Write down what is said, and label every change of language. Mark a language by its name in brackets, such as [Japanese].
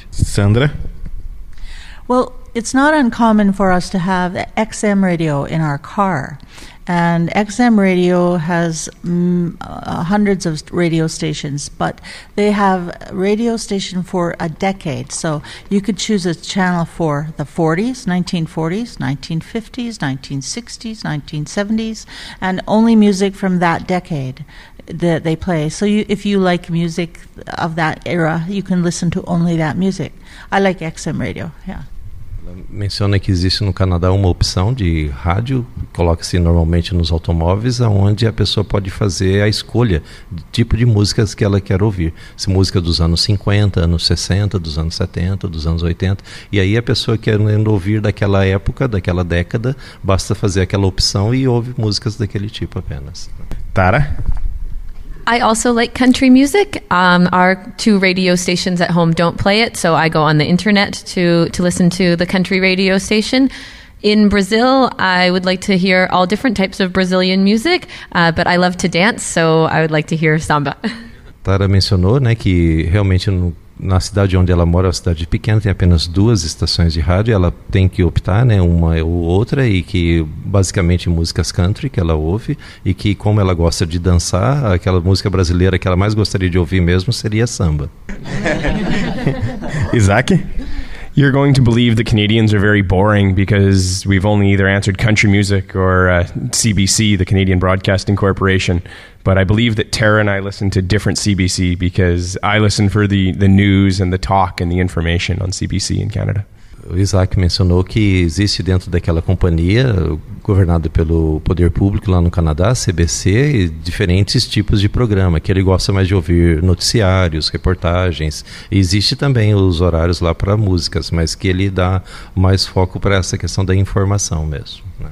[English] Sandra? Well, it's not uncommon for us to have XM radio in our car. And XM radio has hundreds of radio stations, but they have radio station for a decade. So you could choose a channel for the 40s, 1940s, 1950s, 1960s, 1970s, and only music from that decade that they play. So if you like music of that era, you can listen to only that music. I like XM radio, yeah. [Portuguese] menciona que existe no Canadá uma opção de rádio, coloca-se normalmente nos automóveis, onde a pessoa pode fazer a escolha do tipo de músicas que ela quer ouvir. Se música dos anos 50, anos 60, dos anos 70, dos anos 80, e aí a pessoa querendo ouvir daquela época, daquela década, basta fazer aquela opção e ouve músicas daquele tipo apenas. [English] Tara? I also like country music. Our two radio stations at home don't play it, so I go on the internet to listen to the country radio station. In Brazil, I would like to hear all different types of Brazilian music, but I love to dance, so I would like to hear samba. [Portuguese] Tara mencionou, né, que realmente na cidade onde ela mora, uma cidade pequena, tem apenas duas estações de rádio. Ela tem que optar, né, uma ou outra, e que basicamente músicas country que ela ouve, e que como ela gosta de dançar, aquela música brasileira que ela mais gostaria de ouvir mesmo seria samba. [English] Isaac? You're going to believe the Canadians are very boring because we've only either answered country music or CBC, the Canadian Broadcasting Corporation. But I believe that Tara and I listen to different CBC because I listen for the news and the talk and the information on CBC in Canada. [Portuguese] O Isaac mencionou que existe dentro daquela companhia, governada pelo poder público lá no Canadá, CBC, diferentes tipos de programa, que ele gosta mais de ouvir noticiários, reportagens. E existe também os horários lá para músicas, mas que ele dá mais foco para essa questão da informação mesmo.